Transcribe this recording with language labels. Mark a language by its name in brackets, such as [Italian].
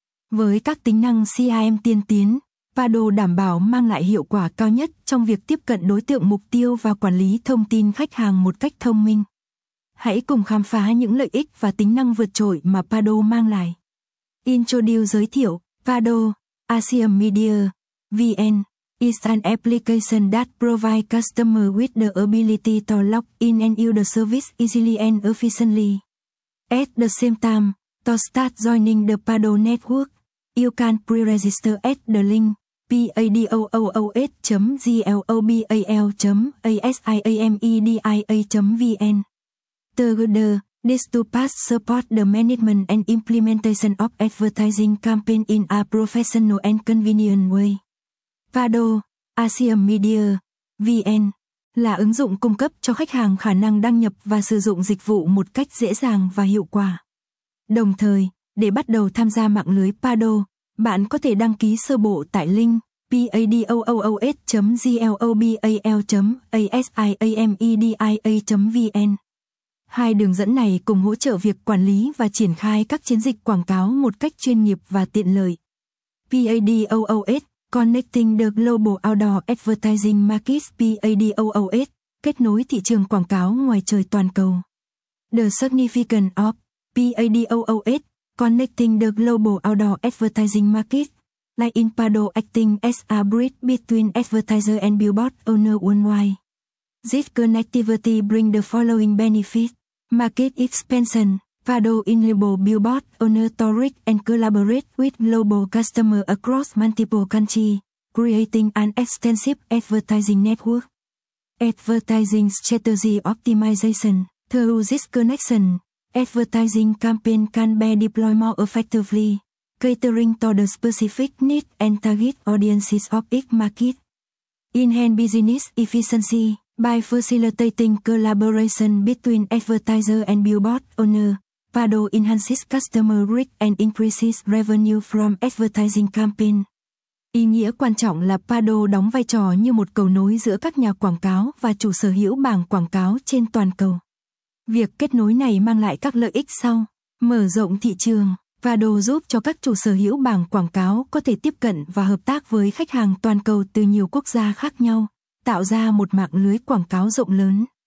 [Vietnamese] Với các tính năng CRM tiên tiến, Pado đảm bảo mang lại hiệu quả cao nhất trong việc tiếp cận đối tượng mục tiêu và quản lý thông tin khách hàng một cách thông minh. Hãy cùng khám phá những lợi ích và tính năng vượt trội mà Pado mang lại. [English] Introduce [Vietnamese] giới thiệu, [English] Pado, Asian Media, VN. It's an application that provides customers with the ability to log in and use the service easily and efficiently. At the same time, to start joining the Pado network, you can pre-register at the link padoos.global.asiamedia.vn. Together, this two-part support the management and implementation of advertising campaign in a professional and convenient way. [Vietnamese] Pado, Asian Media, VN, là ứng dụng cung cấp cho khách hàng khả năng đăng nhập và sử dụng dịch vụ một cách dễ dàng và hiệu quả. Đồng thời, để bắt đầu tham gia mạng lưới Pado, bạn có thể đăng ký sơ bộ tại link padoos.global.asiamedia.vn. Hai đường dẫn này cùng hỗ trợ việc quản lý và triển khai các chiến dịch quảng cáo một cách chuyên nghiệp và tiện lợi. [English] Padoos Connecting the Global Outdoor Advertising Market [Vietnamese] PADOOS, kết nối thị trường quảng cáo ngoài trời toàn cầu. [English] The significance of PADOOS, Connecting the Global Outdoor Advertising Market, like in Pado acting as a bridge between advertiser and billboard owner worldwide. This connectivity brings the following benefits. Market expansion. Pado enable billboard owner to reach and collaborate with global customer across multiple countries, creating an extensive advertising network. Advertising strategy optimization. Through this connection, advertising campaign can be deployed more effectively, catering to the specific needs and target audiences of each market. Enhance business efficiency by facilitating collaboration between advertiser and billboard owner. Pado enhances customer reach and increases revenue from advertising campaign. [Vietnamese] Ý nghĩa quan trọng là Pado đóng vai trò như một cầu nối giữa các nhà quảng cáo và chủ sở hữu bảng quảng cáo trên toàn cầu. Việc kết nối này mang lại các lợi ích sau. Mở rộng thị trường, Pado giúp cho các chủ sở hữu bảng quảng cáo có thể tiếp cận và hợp tác với khách hàng toàn cầu từ nhiều quốc gia khác nhau, tạo ra một mạng lưới quảng cáo rộng lớn.